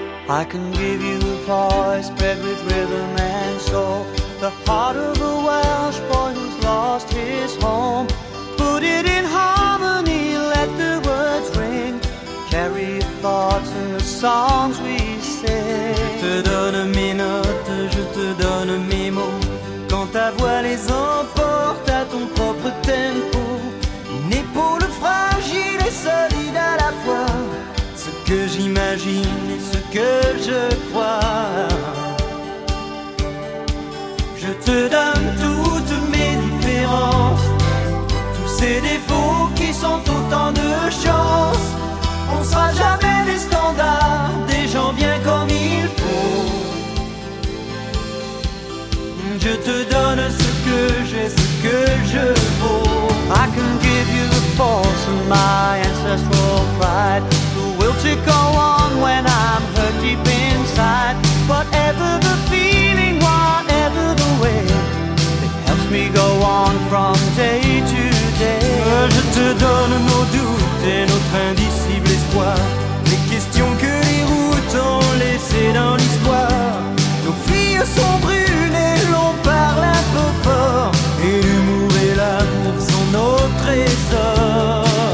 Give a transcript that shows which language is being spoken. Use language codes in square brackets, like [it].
[en] I can give you a voice bred with rhythm and soul. The heart of a Welsh boy who's lost his home. Put it in harmony, let the words ring. Carry thoughts in the songs we sing. [fr] Je te donne mes notes, je te donne mes mots. Quand ta voix les emporte à ton propre tempo. Une épaule fragile et solide à la fois. Ce que j'imagine. Que je crois, je te donne toutes mes différences, tous ces défauts qui sont autant de chances. On sera jamais les standards des gens bien comme il faut. Je te donne ce que j'ai, ce que je vaux. [en] I can give you the force of my ancestral pride, the will to go on when I'm deep inside. Whatever the feeling, whatever the way, it helps me go on from day to day. [fr] Je te donne nos doutes et notre indicible espoir. Les questions que les routes ont laissées dans l'histoire. Nos filles sont brunes et l'on parle un peu fort. Et l'humour et l'amour sont nos trésors.